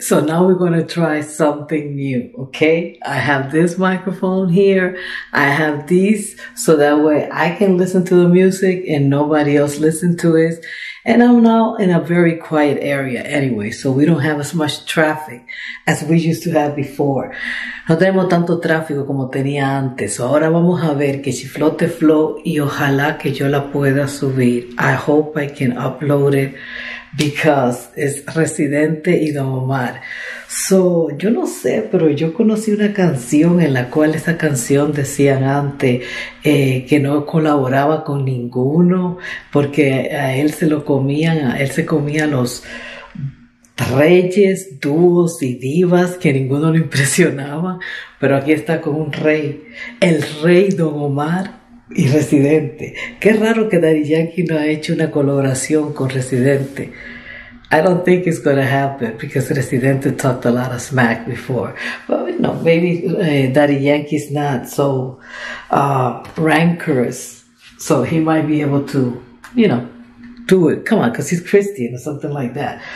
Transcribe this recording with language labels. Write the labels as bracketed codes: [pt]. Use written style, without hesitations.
[en] So now we're going to try something new, okay? I have this microphone here, I have these, so that way I can listen to the music and nobody else listen to it. And I'm now in a very quiet area anyway, so we don't have as much traffic as we used to have before. [es] No tenemos tanto tráfico como tenía antes, so ahora vamos a ver que si flote flow y ojalá que yo la pueda subir. [en] I hope I can upload it. Because [es] es Residente y Don Omar. So, yo no sé, pero yo conocí una canción en la cual esa canción decían antes que no colaboraba con ninguno porque a él se lo comían, a él se comían los reyes, dúos y divas que ninguno lo impresionaba. Pero aquí está con un rey, el rey Don Omar. Y Residente. Qué raro que Daddy Yankee no ha hecho una colaboración con Residente. [en] I don't think it's going to happen because Residente talked a lot of smack before. But you know, maybe Daddy Yankee's not so rancorous. So he might be able to, you know, do it. Come on, because he's Christian or something like that.